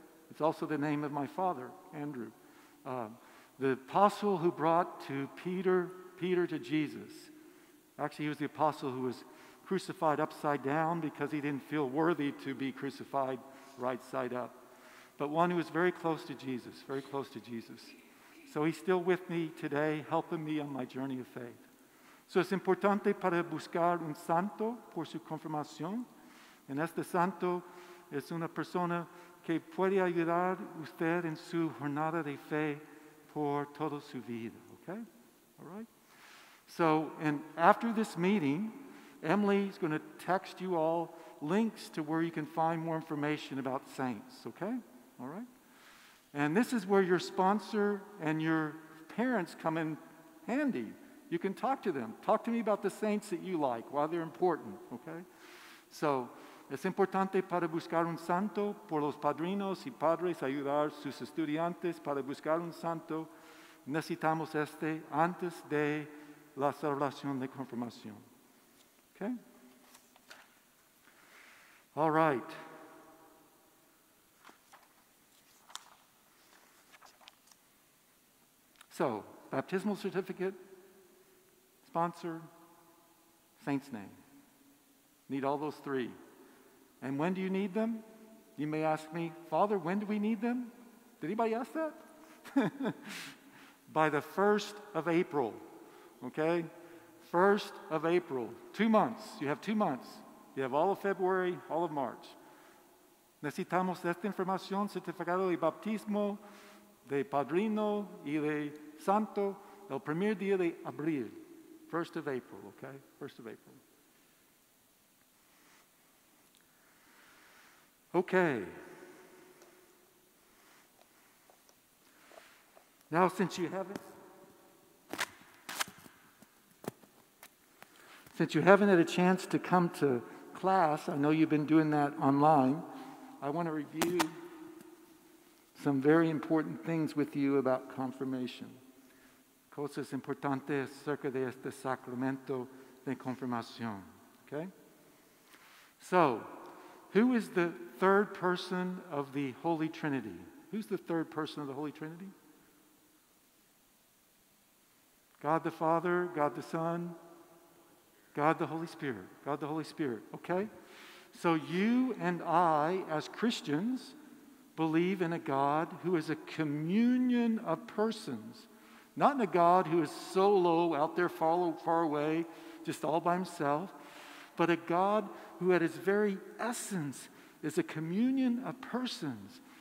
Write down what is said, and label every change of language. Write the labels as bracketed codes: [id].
[en] It's also the name of my father, Andrew. The apostle who brought to Peter to Jesus. Actually, he was the apostle who was crucified upside down because he didn't feel worthy to be crucified right side up. But one who was very close to Jesus, very close to Jesus. So he's still with me today, helping me on my journey of faith. [es] So es importante para buscar un santo por su confirmación. And este santo es una persona que puede ayudar usted en su jornada de fe por toda su vida. Okay? All right? [en] So, and after this meeting, Emily is going to text you all links to where you can find more information about saints, okay? All right? And this is where your sponsor and your parents come in handy. You can talk to them. Talk to me about the saints that you like, why they're important, okay? [es] So, es importante para buscar un santo por los padrinos y padres ayudar sus estudiantes para buscar un santo. Necesitamos este antes de la celebración de confirmación. [en] Okay? All right. So, baptismal certificate, sponsor, saint's name. Need all those three. And when do you need them? You may ask me, Father, when do we need them? Did anybody ask that? By the 1st of April. Okay, 1st of April, 2 months. You have 2 months. You have all of February, all of March. [es] Necesitamos esta información, certificado de bautismo, de padrino y de santo, el primer día de abril, [en] 1st of April, [es] okay? [en] 1st of April. Okay. Now, since you have it, since you haven't had a chance to come to class. I know you've been doing that online. I want to review some very important things with you about confirmation. [es] Cosas importantes acerca de este sacramento de confirmación. [en] Okay? So, who is the third person of the Holy Trinity? Who's the third person of the Holy Trinity? God the Father, God the Son, God the Holy Spirit. God the Holy Spirit, okay? So you and I, as Christians, believe in a God who is a communion of persons, not in a God who is solo out there far away, just all by himself, but a God who at his very essence is a communion of persons.